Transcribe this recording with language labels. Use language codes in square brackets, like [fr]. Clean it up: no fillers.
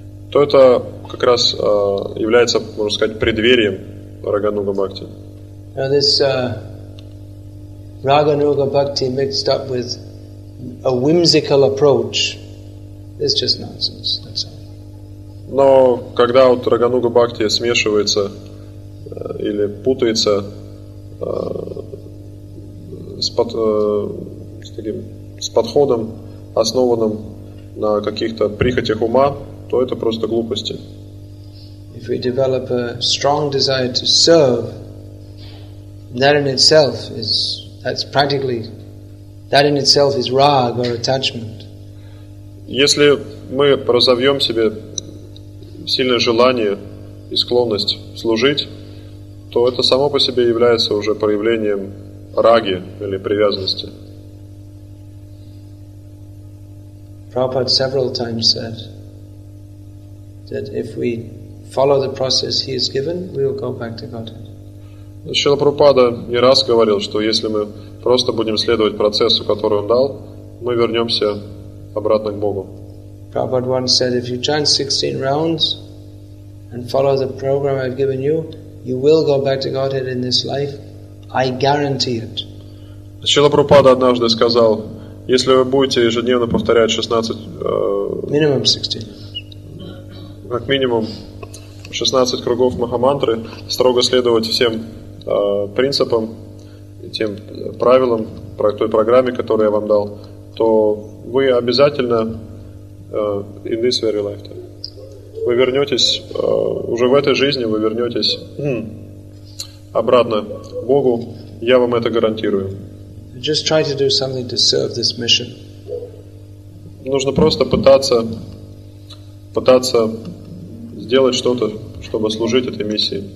[ru] То это как раз является, можно сказать, преддверием Рагануга Бхакти. [en] Now this Rāganuga Bhakti mixed up with a whimsical approach is just nonsense. That's all. [ru] Но когда вот Рагануга Бхакти смешивается или путается с подходом, основанным на каких-то прихотях ума, то это просто глупости. [en] If we develop a strong desire to serve, that in itself is that in itself is rag or attachment. [ru] Если мы разовьем себе сильное желание и склонность служить, то это само по себе является уже проявлением раги или привязанности. [en] Prabhupada several times said that if we follow the process he has given, we will go back to Godhead. [ru] Шрила Прабхупада не раз говорил, что если мы просто будем следовать процессу, который он дал, мы вернемся обратно к Богу. [en] Prabhupada once said, if you chant 16 rounds and follow the program I've given you, you will go back to Godhead in this life. I guarantee it. [ru] Шрила Прабхупада однажды сказал, если вы будете ежедневно повторять 16... [en] Minimum 16. [ru] Как минимум 16 кругов Махамантры, строго следовать всем принципам, тем правилам, той программе, которую я вам дал, то вы обязательно [en] in this very life, [ru] вы вернетесь, уже в этой жизни вы вернетесь обратно Богу, я вам это гарантирую. [en] Just try to do something to serve this mission. [ru] Нужно просто пытаться сделать что-то, чтобы служить этой миссии.